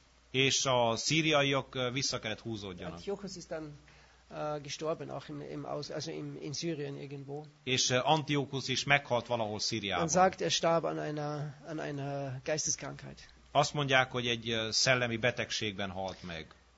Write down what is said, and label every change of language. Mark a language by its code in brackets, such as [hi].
[hu] És a szíriaiak vissza kellett húzódjanak. [de] Antiochus ist dann gestorben auch in Syrien irgendwo. [hu] És Antiochus is meghalt valahol Szíriában. [de] Man sagt, er starb an einer Geisteskrankheit. [hu] Azt mondják, hogy egy szellemi betegségben halt meg.